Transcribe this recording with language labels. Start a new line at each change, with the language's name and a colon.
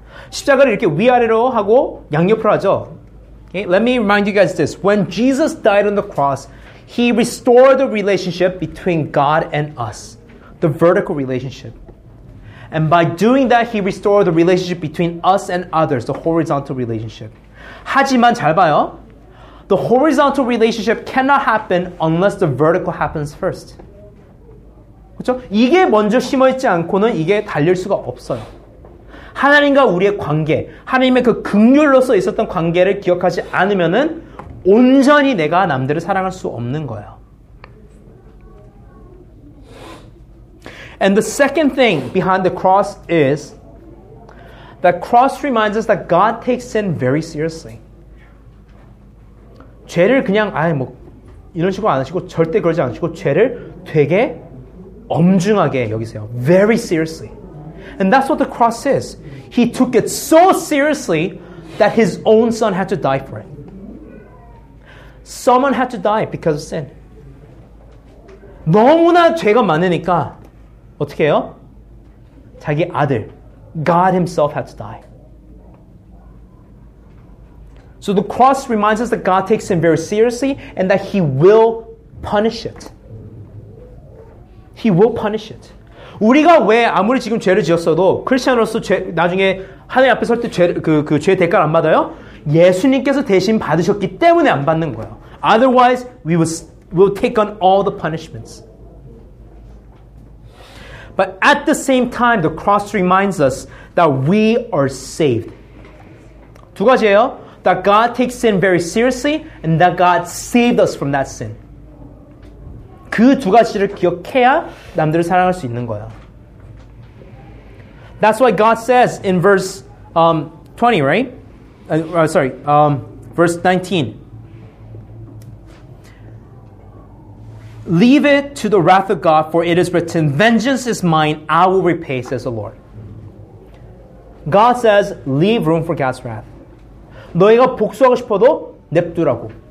Korean: 십자가를 이렇게 위아래로 하고 양옆으로 하죠.
English: Okay, let me remind you guys this. When Jesus died on the cross, he restored the relationship between God and us, the vertical relationship. And by doing that, he restored the relationship between us and others, the horizontal relationship.
Korean: 하지만 잘 봐요.
English: The horizontal relationship cannot happen unless the vertical happens first.
Korean: 그렇죠? 이게 먼저 심어있지 않고는 이게 달릴 수가 없어요. 하나님과 우리의 관계, 하나님의 그 긍휼로서 있었던 관계를 기억하지 않으면은 온전히 내가 남들을 사랑할 수 없는 거예요.
English: And the second thing behind the cross is that cross reminds us that God takes sin very seriously.
Korean: 죄를 그냥 아예 뭐 이런 식으로 안 하시고 절대 그러지 않으시고 죄를 되게 엄중하게 여기세요.
English: Very seriously. And that's what the cross is. He took it so seriously that his own son had to die for it. Someone had to die because of sin.
Korean: 너무나 죄가 많으니까 어떻게 해요? 자기 아들,
English: God himself had to die. So the cross reminds us that God takes sin very seriously and that he will punish it. He will punish it.
Korean: 우리가 왜 아무리 지금 죄를 지었어도 크리스천으로서 죄, 나중에 하늘 앞에 설 때 죄 대가를 안 받아요? 예수님께서 대신 받으셨기 때문에 안 받는 거예요.
English: Otherwise, we will take on all the punishments. But at the same time, the cross reminds us that we are saved.
Korean: 두 가지예요.
English: That God takes sin very seriously and that God saved us from that sin.
Korean: 그 두 가지를 기억해야 남들을 사랑할 수 있는 거야.
English: That's why God says in verse 20, right? Verse 19. Leave it to the wrath of God, for it is written, vengeance is mine, I will repay, says the Lord. God says, leave room for God's wrath.
Korean: 너희가 복수하고 싶어도 냅두라고.